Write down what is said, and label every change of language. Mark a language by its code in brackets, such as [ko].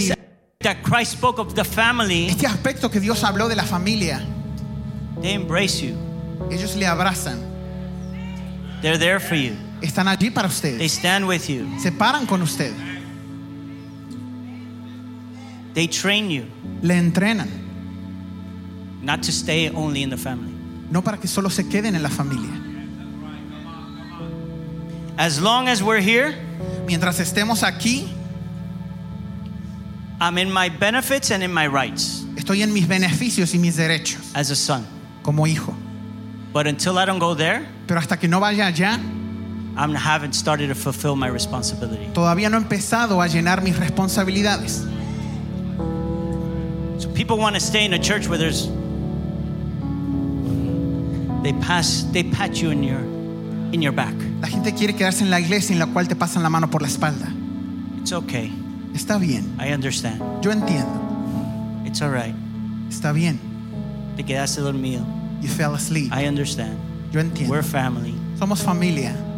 [en] This aspect that Christ spoke of the family. [es] Este aspecto que Dios habló de la familia. [en] They embrace you. [es] Ellos le abrazan. [en] They're there for you. [es] Están allí para ustedes. [en] They stand with you. [es] Se paran con usted. [en] They train you. [es] Le entrenan. [en] Not to stay only in the family. [es] No para que solo se queden en la familia. [en] As long as we're here, [es] mientras estemos aquí, [en] I'm in my benefits and in my rights. [es] Estoy en mis beneficios y mis derechos. [en] As a son, [es] como hijo. [en] But until I don't go there, [es] pero hasta que no vaya allá, [en] I haven't started to fulfill my responsibility. [es] Todavía no he empezado a llenar mis responsabilidades. [en] So people want to stay in a church where there's they pat you in your back. [es] La gente quiere quedarse en la iglesia en la cual te pasan la mano por la espalda. [en] It's okay. [es] Está bien. [en] I understand. [es] Yo entiendo. [en] It's all right. [es] Está bien. Te quedaste dormido. [en] You fell asleep. I understand. [es] Yo entiendo. [en] We're family. [es] Somos familia.